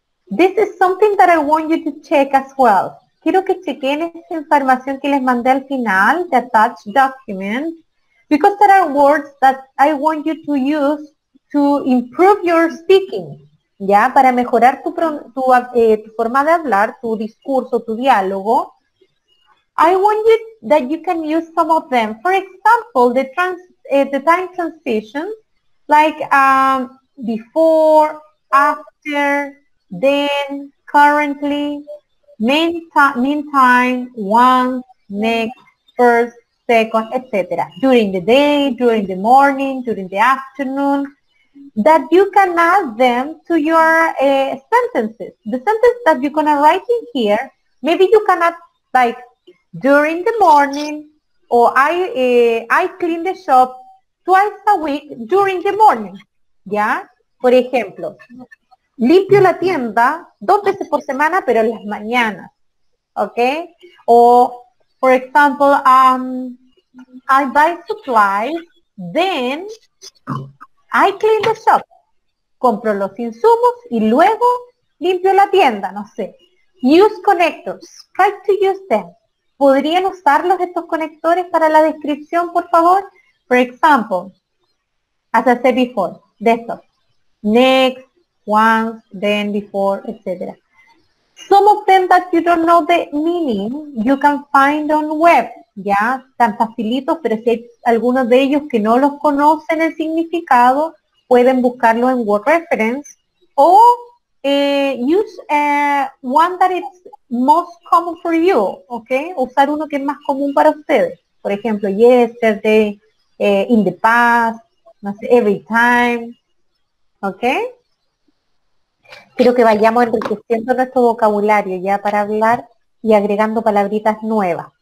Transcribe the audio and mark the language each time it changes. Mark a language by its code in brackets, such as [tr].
[en] This is something that I want you to check as well. [es] Quiero que chequen esta información que les mandé al final, [en] the attached document. Because there are words that I want you to use to improve your speaking, ¿ya? [es] Para mejorar tu forma de hablar, tu discurso, tu diálogo. [en] I want you that you can use some of them. For example, the time transition, Like before, after, then, currently, meantime, once, next, first, second, etc. During the day, during the morning, during the afternoon, that you can add them to your sentences. The sentence that you're going to write in here, maybe you can add like during the morning, or I clean the shop twice a week during the morning. Yeah? [es] Por ejemplo, limpio la tienda dos veces por semana, pero en las mañanas. [en] Okay? Or, for example, I buy supplies, then I clean the shop. [es] Compro los insumos y luego limpio la tienda, no sé. [en] Use connectors. Try to use them. [es] ¿Podrían usarlos estos conectores para la descripción, por favor? [en] For example, as I said before, desktop. Next, once, then, before, etc. Some of them that you don't know the meaning, you can find on web. [es] Ya, tan facilitos, pero si hay algunos de ellos que no los conocen el significado, pueden buscarlo en Word Reference. [en] O use one that is most common for you, okay? [es] Usar uno que es más común para ustedes. Por ejemplo, [en] yesterday, in the past, [es] no sé, [en] every time, okay? [es] Quiero que vayamos enriqueciendo nuestro vocabulario ya para hablar y agregando palabritas nuevas.